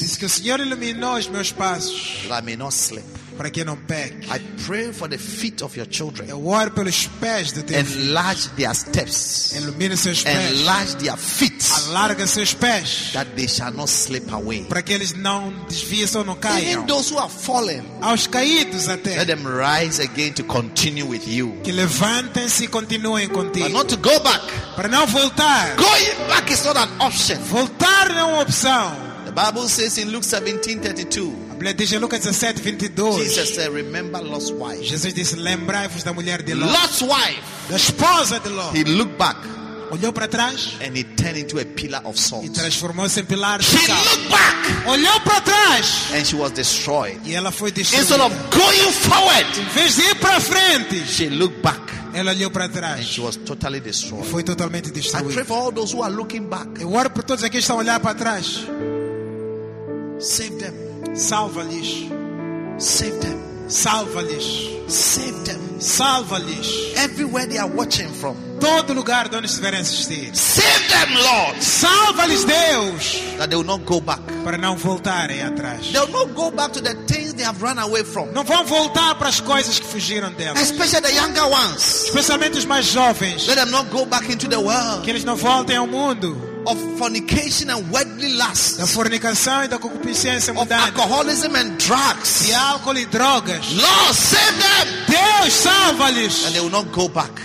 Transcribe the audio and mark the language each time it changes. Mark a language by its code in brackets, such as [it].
[pt] Diz que o Senhor iluminou os meus passos. [en] That I may not sleep. [pt] para que não peque. [en] I pray for the feet of your children. [pt] Eu oro pelos pés de teus. [en] Enlarge their steps. [pt] Ilumine seus pés. [en] Enlarge their feet. [pt] Alarga seus pés. [en] That they shall not slip away. [pt] Para que eles não desviem ou não caiam. [en] Even those who have fallen. [pt] Aos caídos até. [en] Let them rise again to continue with you. [pt] Que levantem-se e continuem contigo. [en] But not to go back. [pt] Para não voltar. [en] Going back is not an option. [pt] Voltar não é uma opção. [en] The Bible says in Luke 17:32. Jesus said, "Remember Lot's wife." [pt] Jesus disse, "Lembrai-vos da mulher de [en] Lot." Lot's wife, [pt] da esposa de Lot. [en] He looked back, [pt] olhou para trás, [en] and he turned into a pillar of salt. [pt] E transformou-se em pilar de sal. [en] She looked back, [pt] olhou para trás, [en] and she was destroyed. [pt] E ela foi destruída. [en] Instead of going forward, [pt] em vez de ir para frente, [en] she looked back. [pt] Ela olhou para trás. [en] And she was totally destroyed. [pt] E foi totalmente destruída. [en] I pray for all those who are looking back. [pt] Eu oro por todos aqueles que estão olhando para trás. [en] Save them. [pt] Salva-lhes. [en] Save them. [pt] Salva-lhes. [en] Save them. [pt] Salva-lhes. [en] Everywhere they are watching from. [pt] Todo lugar onde estiverem assistindo. [en] Save them, Lord. [pt] Salva-lhes, Deus. [en] That they will not go back. [pt] Para não voltarem atrás. [en] They will not go back to the things they have run away from. [pt] Não vão voltar para as coisas que fugiram delas. [en] Especially the younger ones. [pt] Especialmente os mais jovens. [en] Let them not go back into the world. [pt] Que eles não voltem ao mundo. [en] Of fornication and worldly lusts. [pt] Da fornicação e da concupiscência mundana. [en] Of alcoholism and drugs. [pt] De álcool e drogas. [en] Lord, save them. [pt] Deus, salva-lhes. [en] And they will not go back.